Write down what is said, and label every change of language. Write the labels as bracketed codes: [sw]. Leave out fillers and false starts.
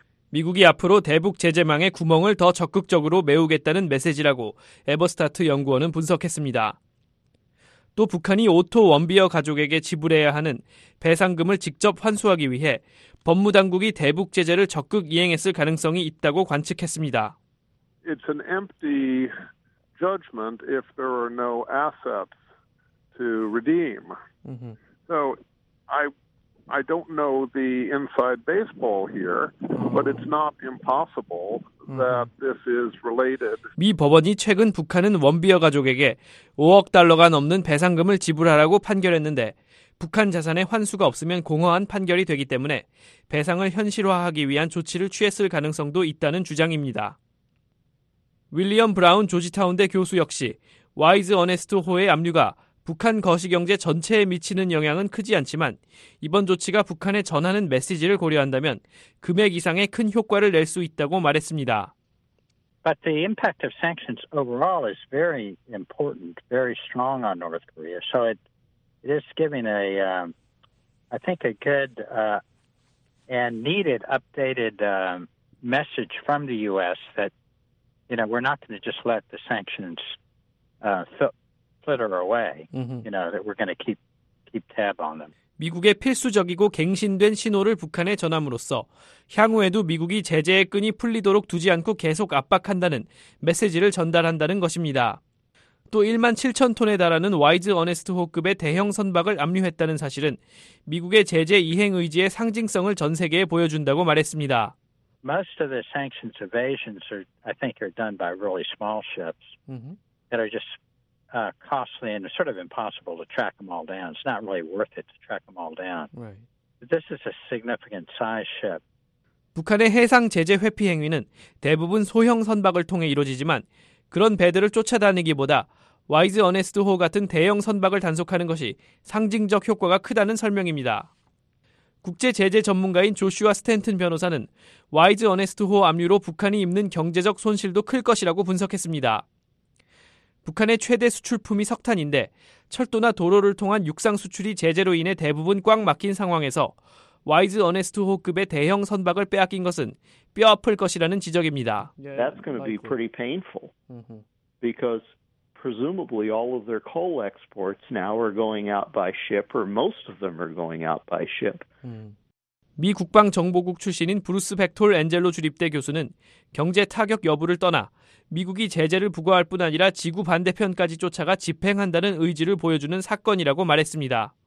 [ko] 미국이 앞으로 대북 제재망의 구멍을 더 적극적으로 메우겠다는 메시지라고 에버스타트 연구원은 분석했습니다. 또 북한이 오토 원비어 가족에게 지불해야 하는 배상금을 직접 환수하기 위해 법무당국이 대북 제재를 적극 이행했을 가능성이 있다고 관측했습니다. [en] It's an empty judgment if there are no assets to redeem. So I don't know the inside baseball here, but it's not impossible that this is related. [ko] 미 법원이 최근 북한은 원비어 가족에게 5억 달러가 넘는 배상금을 지불하라고 판결했는데 북한 자산의 환수가 없으면 공허한 판결이 되기 때문에 배상을 현실화하기 위한 조치를 취했을 가능성도 있다는 주장입니다. 윌리엄 브라운 조지타운대 교수 역시 와이즈 어네스트 호의 압류가 북한 거시경제 전체에 미치는 영향은 크지 않지만 이번 조치가 북한에 전하는 메시지를 고려한다면 금액 이상의 큰 효과를 낼 수 있다고 말했습니다. [en] But the impact of sanctions overall is very important, very strong on North Korea. So it is giving a good and needed updated message from the U.S. that, you know, we're not going to just let the sanctions flitter away, that we're going to keep tab on them. [ko] 미국의 필수적이고 갱신된 신호를 북한에 전함으로써 향후에도 미국이 제재의 끈이 풀리도록 두지 않고 계속 압박한다는 메시지를 전달한다는 것입니다. 또 1만 7천 톤에 달하는 와이즈 어네스트 호급의 대형 선박을 압류했다는 사실은 미국의 제재 이행 의지의 상징성을 전 세계에 보여준다고 말했습니다. [en] Most of the sanctions evasions are done by really small ships that are just costly and sort of impossible to track them all down. It's not really worth it to track them all down. Right. This is a significant size ship. [ko] 북한의 해상 제재 회피 행위는 대부분 소형 선박을 통해 이루어지지만 그런 배들을 쫓아다니기보다 와이즈 어네스트 호 같은 대형 선박을 단속하는 것이 상징적 효과가 크다는 설명입니다. 국제 제재 전문가인 조슈아 스탠튼 변호사는 와이즈 어네스트 호 압류로 북한이 입는 경제적 손실도 클 것이라고 분석했습니다. 북한의 최대 수출품이 석탄인데 철도나 도로를 통한 육상 수출이 제재로 인해 대부분 꽉 막힌 상황에서 와이즈 어네스트 호급의 대형 선박을 빼앗긴 것은 뼈아플 것이라는 지적입니다. [en] That's going to be pretty painful because presumably all of their coal exports now are going out by ship or most of them are going out by ship. [ko] 미 국방정보국 출신인 브루스 백톨 엔젤로 주립대 교수는 경제 타격 여부를 떠나 미국이 제재를 부과할 뿐 아니라 지구 반대편까지 쫓아가 집행한다는 의지를 보여주는 사건이라고 말했습니다.